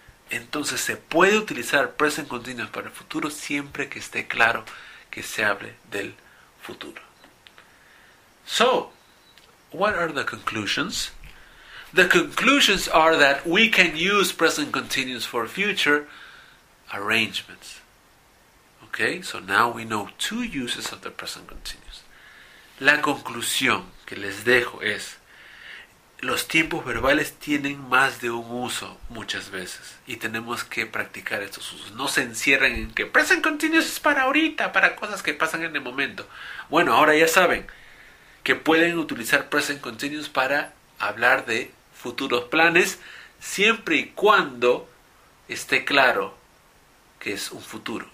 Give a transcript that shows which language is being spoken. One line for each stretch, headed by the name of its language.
Spanish: Entonces se puede utilizar present continuous para el futuro siempre que esté claro que se hable del futuro.
English: So, what are the conclusions? The conclusions are that we can use present continuous for future arrangements. Okay, so now we know two uses of the present continuous.
Spanish: La conclusión que les dejo es, los tiempos verbales tienen más de un uso muchas veces y tenemos que practicar estos usos. No se encierren en que present continuous es para ahorita, para cosas que pasan en el momento. Bueno, ahora ya saben que pueden utilizar present continuous para hablar de futuros planes siempre y cuando esté claro que es un futuro.